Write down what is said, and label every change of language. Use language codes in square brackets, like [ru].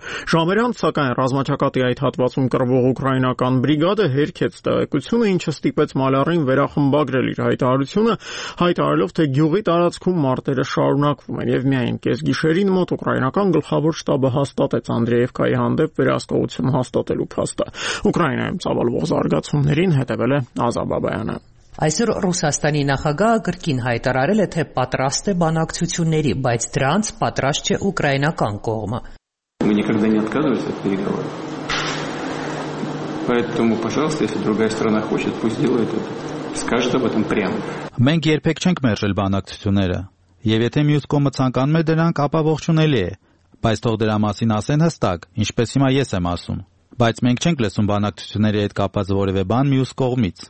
[hy] Ժամերան, սակայն, ռազմաճակատի այդ հատվածում կռվող ուկրաինական բրիգադը հերքեց տեղեկությունը, ինչը ստիպեց Մալյարին վերախմբագրել իր հայտարարությունը, հայտարարելով, թե գյուղի տարածքում մարտերը շարունակվում են, և միայն կեսգիշերին մոտ ուկրաինական գլխավոր շտաբը հաստատեց Անդրեևկայի հանդեպ վերահսկողություն հաստատելու փաստը։ Ուկրաինայում ծավալվող զարգացումներին հետևել է Ազա Բաբայանը։ Այսօր Ռուսաստանի նախագահը կրկին հայտարարել է, թե պատրաստ է բանակցությունների, բայց դրանց պատրաստ չէ ուկրաինական կողմը։ [ru] Мы никогда не отказывались от переговоров. Поэтому, пожалуйста, если другая сторона хочет, пусть делает это. Скажет об этом прямо. [hy] Մենք երբեք չենք մերժել բանակցությունները, եւ եթե մյուս կողմը ցանկանում է դրանք, ապա ողջունելի է, բայց թող դրա մասին ասեն հստակ, ինչպես հիմա ես եմ ասում, բայց մենք չենք լսում բանակցությունների հետ կապված որևէ բան մյուս կողմից։